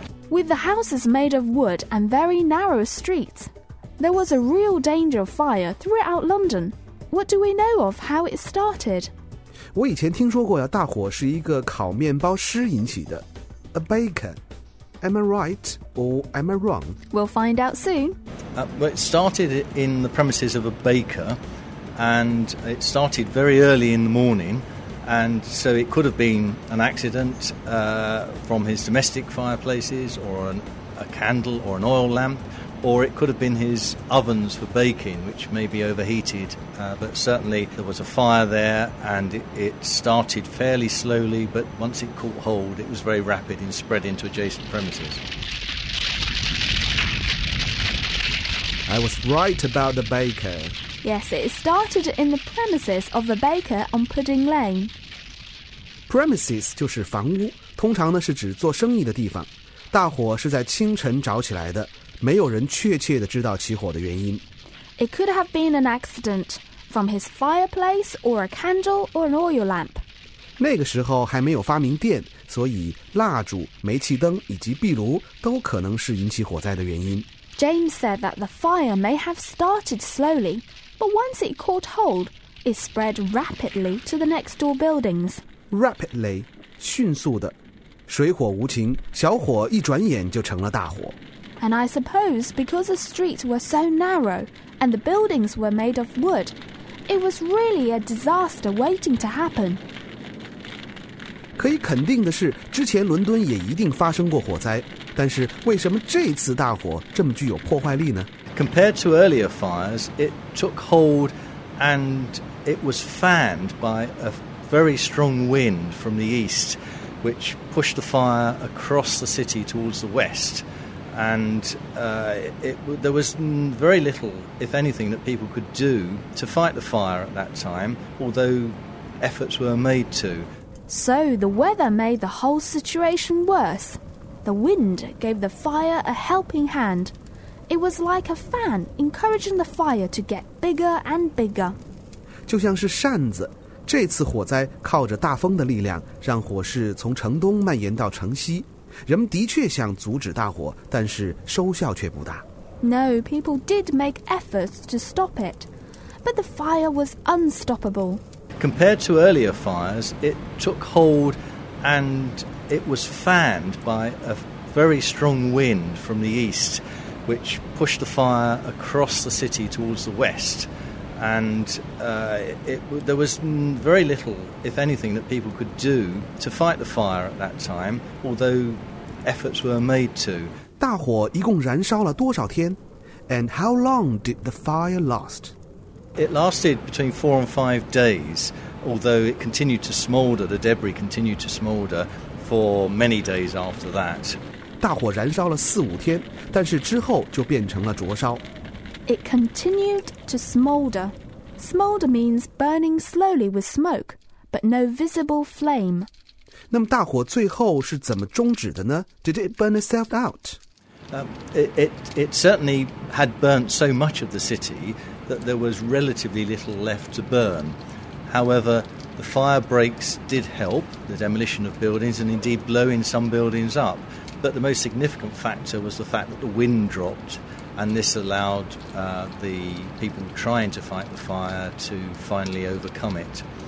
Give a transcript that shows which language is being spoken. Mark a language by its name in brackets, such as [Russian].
[English] With the houses made of wood and very narrow streets, there was a real danger of fire throughout London. What do we know of how it started? [Chinese] 我以前听说过呀，大火是一个烤面包师引起的 ， a baker. [English] Am I right or am I wrong? We'll find out soon. It started in the premises of a baker, and it started very early in the morning, and so it could have been an accident from his domestic fireplaces, or a candle, or an oil lamp, or it could have been his ovens for baking, which may be overheated. But certainly there was a fire there and it started fairly slowly, but once it caught hold, it was very rapid in spreading to adjacent premises. I was right about the baker. Yes, it started in the premises of the baker on Pudding Lane. [Chinese] Premises 就是房屋，通常呢是指做生意的地方。大火是在清晨着起来的，没有人确切地知道起火的原因。 [English] It could have been an accident. From his fireplace, or a candle, or an oil lamp. [Chinese] 那个时候还没有发明电，所以蜡烛、煤气灯以及壁炉都可能是引起火灾的原因。 [English] James said that the fire may have started slowly, but once it caught hold, it spread rapidly to the next door buildings. [Chinese] rapidly, 迅速的。水火无情，小火一转眼就成了大火。 [English] And I suppose because the streets were so narrow and the buildings were made of wood, it was really a disaster waiting to happen. [Chinese] 可以肯定的是，之前伦敦也一定发生过火灾，但是为什么这次大火这么具有破坏力呢？ [English] Compared to earlier fires, it took hold and it was fanned by a very strong wind from the east, which pushed the fire across the city towards the west. And there was very little, if anything, that people could do to fight the fire at that time, although efforts were made to. So the weather made the whole situation worse. The wind gave the fire a helping hand. It was like a fan encouraging the fire to get bigger and bigger. [Chinese] 就像是扇子，这次火灾靠着大风的力量，让火势从城东蔓延到城西。人们的确想阻止大火，但是收效却不大。 [English] No, people did make efforts to stop it, but the fire was unstoppable. Compared to earlier fires, it took hold and it was fanned by a very strong wind from the east. Which pushed the fire across the city towards the west. And there was very little, if anything, that people could do to fight the fire at that time, although efforts were made to. [Chinese] 大火一共燃烧了多少天? [English] And how long did the fire last? It lasted between 4 and 5 days, although it continued to smolder, the debris continued to smolder for many days after that. [Chinese] 大火燃烧了四五天，但是之后就变成了灼烧。 [English] It continued to smolder. Smolder means burning slowly with smoke, but no visible flame. [Chinese] 那么大火最后是怎么终止的呢？ [English] Did it burn itself out? It certainly had burnt so much of the city that there was relatively little left to burn. However, the fire breaks did help the demolition of buildings and indeed blowing some buildings up. But the most significant factor was the fact that the wind dropped, and this allowed the people trying to fight the fire to finally overcome it.